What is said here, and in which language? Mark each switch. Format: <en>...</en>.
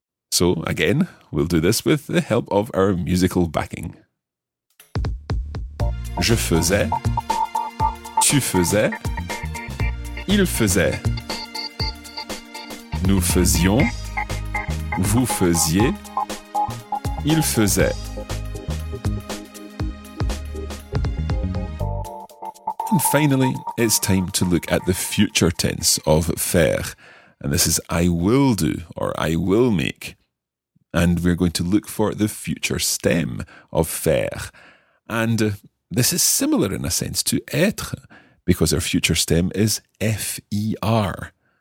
<en>So again, we'll do this with the help of our musical backing.</en> <fr>Je faisais, tu faisais, il faisait, nous faisions, vous faisiez, il faisait.</fr> <en>And finally, it's time to look at the future tense of faire. And this is I will do or I will make. And we're going to look for the future stem of faire. And this is similar in a sense to être, because our future stem is F-E-R.</en>